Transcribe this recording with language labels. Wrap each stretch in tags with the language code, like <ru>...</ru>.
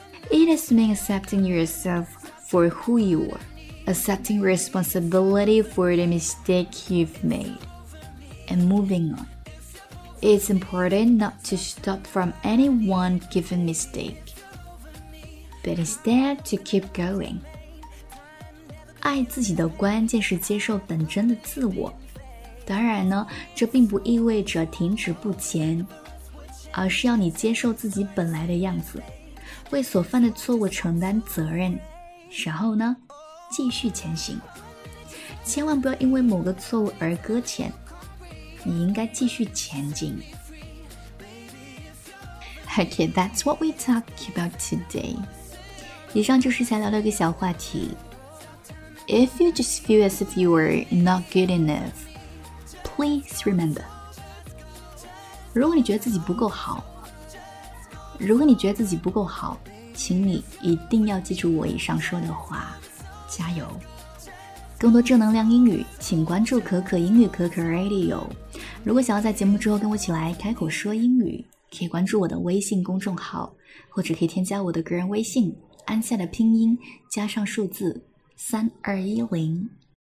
<en>It has been accepting yourself for who you are, accepting responsibility for the mistake you've made, and moving on. It's important not to stop from any one given mistake, but instead to keep going.</en> <zh>爱自己的关键是接受本真的自我。当然呢，这并不意味着停止不前，而是要你接受自己本来的样子。为所犯的错误承担责任，然后呢，继续前行。千万不要因为某个错误而搁浅，你应该继续前进。</zh> <en>Okay, that's what we talk about today.</en> <zh>以上就是才聊了一个小话题。</zh> <en>If you just feel as if you were not good enough, please remember.</en> <zh>如果你觉得自己不够好，如果你觉得自己不够好，请你一定要记住我以上说的话，加油！更多正能量英语，请关注可可英语可可 Radio。如果想要在节目之后跟我一起来开口说英语，可以关注我的微信公众号，或者可以添加我的个人微信，安夏的拼音加上数字3210。</zh>